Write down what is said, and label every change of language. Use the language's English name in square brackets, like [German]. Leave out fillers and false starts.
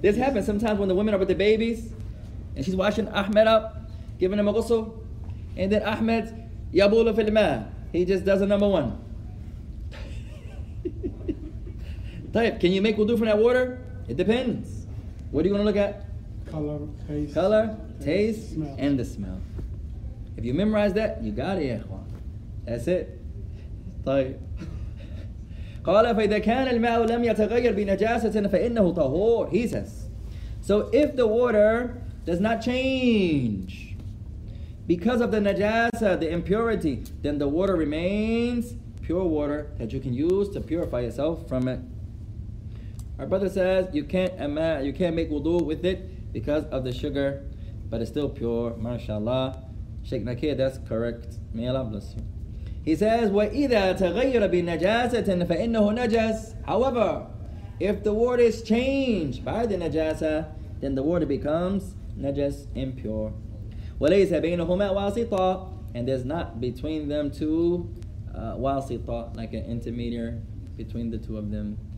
[English] This happens sometimes when the women are with the babies and she's washing Ahmed up, giving him a ghusl, and then Ahmed, yabula fil ma, he just does a number one. Type, can you make wudu from that water? It depends. What are you going to look at? Color, taste, smell. And the smell. If you memorize that, you got it, Ikhwan. That's it. Type. [Arabic] قال فإذا كان الماء لم يتغير بنجاسة فإنه طهور. [English] He says, so if the water does not change because of the najasa, the impurity, then the water remains pure water that you can use to purify yourself from it. Our brother says you can't make wudu with it because of the sugar, but it's still pure. MashaAllah, Sheikh Nakir, that's correct. May Allah bless you. He says, [Arabic] وَإِذَا تَغَيْرَ بِنَجَاسَةٍ فَإِنَّهُ نَجَاسٍ. [English] However, if the water is changed by the najasa, then the water becomes najas, impure. [Arabic] وَلَيْسَ بَيْنَهُمَا وَاسِطًا. [English] And there's not between them two wasita, like an intermediary between the two of them.